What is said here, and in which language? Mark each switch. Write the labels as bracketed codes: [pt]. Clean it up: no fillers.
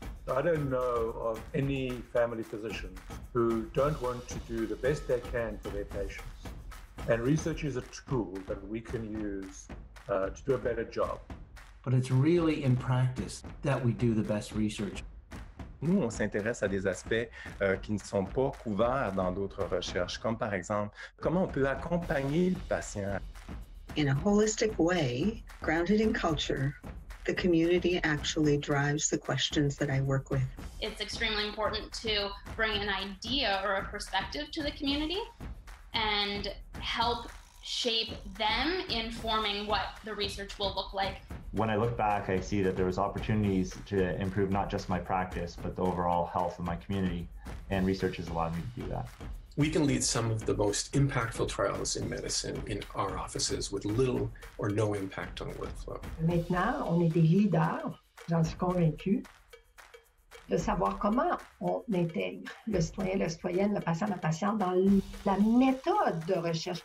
[en] I don't know of any family physician who don't want to do the best they can for their patients. And research is a tool that we can use to do a better job. But it's really in practice that we do the best research. [fr] Nous, on s'intéresse à des aspects qui ne sont pas couverts dans d'autres recherches, comme par exemple, comment on peut accompagner le patient. [en] In a holistic way, grounded in culture, the community actually drives the questions that I work with. It's extremely important to bring an idea or a perspective to the community and help shape them in forming what the research will look like. When I look back, I see that there was opportunities to improve not just my practice, but the overall health of my community, and research has allowed me to do that. We can lead some of the most impactful trials in medicine in our offices with little or no impact on workflow. [fr] Maintenant, on est des leaders, j'en suis convaincue, de savoir comment on intègre le citoyen, la citoyenne, le patient, la patiente dans la méthode de recherche.